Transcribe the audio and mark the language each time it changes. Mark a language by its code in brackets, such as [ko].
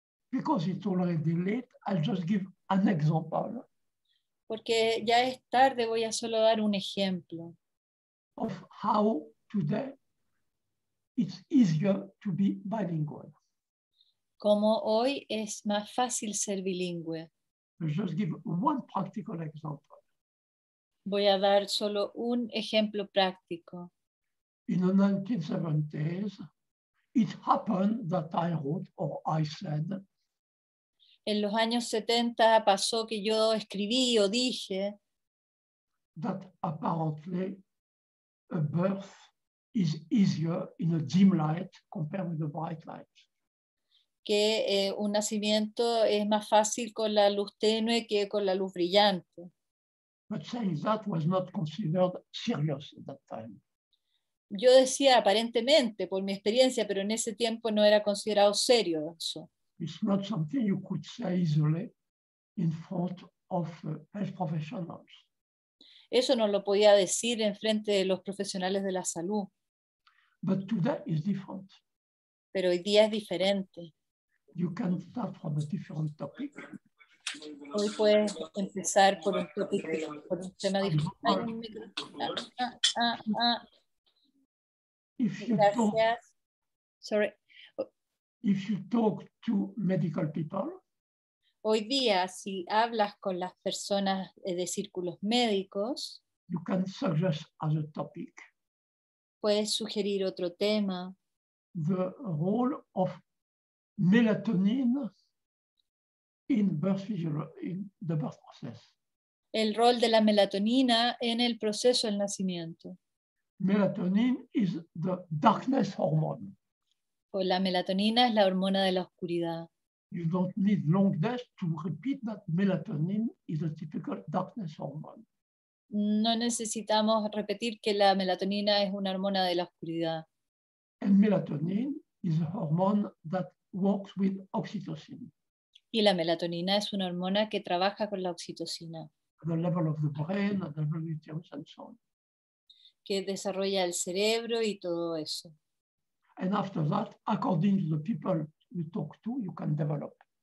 [en] Because it's already late, I'll just give an example. [es] Porque ya es tarde, voy a solo dar un ejemplo. [en] Of how today it's easier to be bilingual. [es] Como hoy es más fácil ser bilingüe. [en] I'll just give one practical example. [es] Voy a dar solo un ejemplo práctico. [en] in the 1970s, it happened that I wrote or I said. [es] En los años 70 pasó que yo escribí o dije. [en] That apparently a birth is easier in a dim light compared with a bright light. [es] Que un nacimiento es más fácil con la luz tenue que con la luz brillante. [en] But saying that was not considered serious at that time. [es] Yo decía aparentemente por mi experiencia, pero en ese tiempo no era considerado serio eso. [en] It's not something you could say easily in front of health professionals. [es] Eso no lo podía decir en frente de los profesionales de la salud. [en] But today is different. [es] Pero hoy día es diferente. [en] You can start from a different topic. [es] Hoy puedes empezar por un topic, por un tema diferente. Ay, un [en] If you talk to medical people, [es] hoy día, si hablas con las personas de círculos médicos, [en] you can suggest other topic. [es] Puedes sugerir otro tema. [en] The role of melatonin in birth physiology, in the birth process. [es] El rol de la melatonina en el proceso del nacimiento. [en] Melatonin is the darkness hormone. [es] O la melatonina es la hormona de la oscuridad. [en] You don't need long days to repeat that melatonin is a typical darkness hormone. [es] No necesitamos repetir que la melatonina es una hormona de la oscuridad. [en] And melatonin is a hormone that works with oxytocin. [es] Y la melatonina es una hormona que trabaja con la oxitocina. [en] The level of the brain, the level of the uterus and so on. [es] Que desarrolla el cerebro y todo eso. [en] And after that, according to the people you talk to, you can develop.